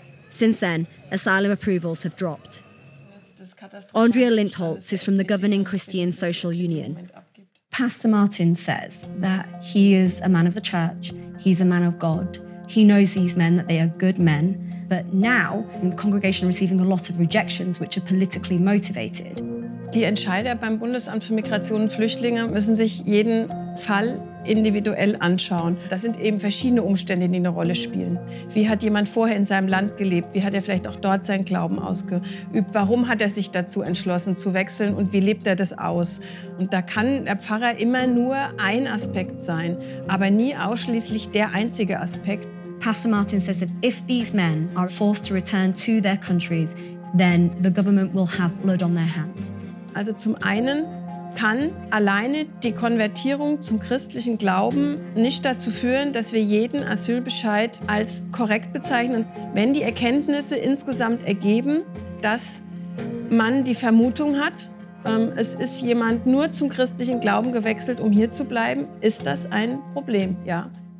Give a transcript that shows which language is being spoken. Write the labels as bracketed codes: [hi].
[en] Since then, asylum approvals have dropped. Andrea Lindholz is from the governing Christian Social Union. Pastor Martin says that he is a man of the church, he's a man of God. He knows these men, that they are good men. But now, in the congregation receiving a lot of rejections, which are politically motivated, [de] die Entscheider beim Bundesamt für Migration und Flüchtlinge müssen sich jeden Fall individuell anschauen. Das sind eben verschiedene Umstände, die eine Rolle spielen. Wie hat jemand vorher in seinem Land gelebt? Wie hat er vielleicht auch dort seinen Glauben ausgeübt? Warum hat er sich dazu entschlossen zu wechseln und wie lebt er das aus? Und da kann der Pfarrer immer nur ein Aspekt sein, aber nie ausschließlich der einzige Aspekt. [en] Pastor Martin says that if these men are forced to return to their countries, then the government will have blood on their hands. [de] Also zum einen kann alleine die Konvertierung zum christlichen Glauben nicht dazu führen, dass wir jeden Asylbescheid als korrekt bezeichnen, wenn die Erkenntnisse insgesamt ergeben, dass man die Vermutung hat, es ist jemand nur zum christlichen Glauben gewechselt, um hier zu bleiben, ist das ein Problem, ja.